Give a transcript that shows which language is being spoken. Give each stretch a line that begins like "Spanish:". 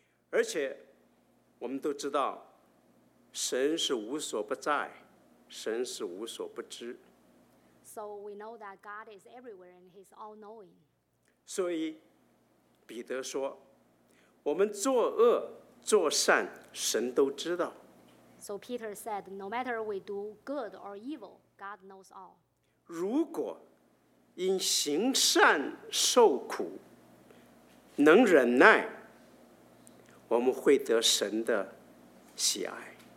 Chinese: 而且，我们都知道，神是无所不在，神是无所不知。
English: So we know that God is everywhere and He's all knowing.
Chinese: 所以，彼得说，我们作恶作善，神都知道。
English: So Peter said, no matter we do good or evil, God knows all.
Chinese: 如果因行善受苦，能忍耐，我们会得神的喜爱。